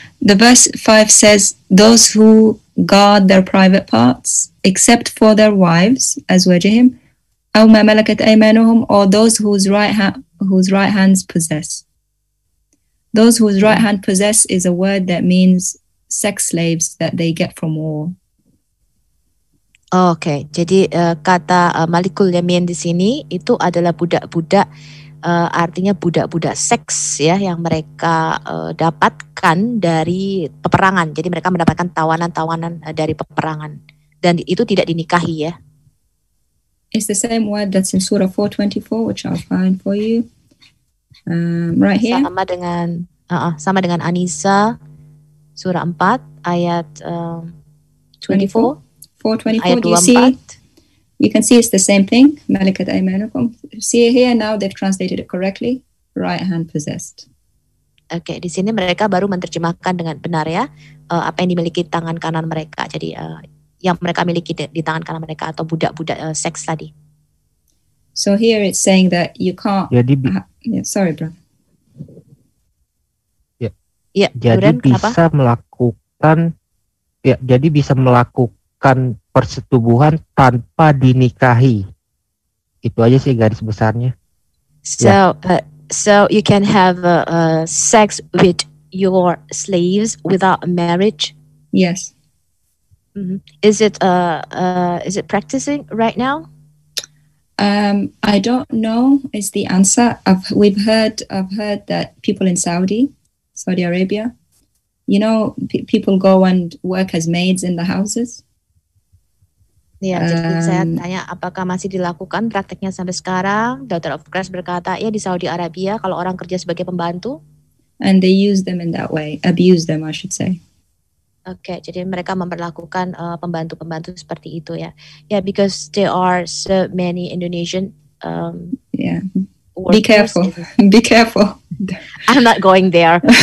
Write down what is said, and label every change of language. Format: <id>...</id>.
<en>The verse 5 says those who guard their private parts except for their wives as wajihim.</en> <ar>أو ما ملكت أيمانهم</ar> <en>or those whose right hands possess. Those whose right hand possess is a word that means sex slaves that they get from war.</en> <id>Oh, okay, jadi kata Malikul Yamin di sini itu adalah budak-budak, artinya budak-budak seks ya yang mereka dapatkan dari peperangan. Jadi mereka mendapatkan tawanan-tawanan dari peperangan dan itu tidak dinikahi ya.</id> <en>It's the same word that's in Surah 424, which I'll find for you. Right here.</en> <id>Sama dengan An-Nisa, Surah 4, ayat 24. 424, ayat 24.</id> <en>You can see it's the same thing.</en> <ar>Malikat aymanukum.</ar> <en>See here now, they've translated it correctly. Right hand possessed.</en> <id>Oke, okay, di sini mereka baru menerjemahkan dengan benar ya, apa yang dimiliki tangan kanan mereka. Jadi, yang mereka miliki di tangan kanan mereka atau budak-budak seks tadi.</id> <en>So here it's saying that you can't.</en> <id>Jadi,</id> <en>sorry, bro.</en> <id>Ya. Jadi bisa melakukan. Ya, jadi bisa melakukan persetubuhan tanpa dinikahi. Itu aja sih garis besarnya.</id> <en>So, yeah. So you can have sex with your slaves without marriage? Yes. Mm-hmm. Is it practicing right now? I don't know is the answer. I've heard that people in Saudi Arabia, you know, people go and work as maids in the houses.</en> <id>Ya, jadi saya tanya apakah masih dilakukan prakteknya sampai sekarang. Daughter of Christ berkata, ya di Saudi Arabia kalau orang kerja sebagai pembantu.</id> <en>And they use them in that way, abuse them, I should say.</en> <id>Okay, jadi mereka memperlakukan pembantu-pembantu seperti itu ya.</id> <en>Yeah, because there are so many Indonesian. Yeah. Be careful. Be careful. I'm not going there.</en>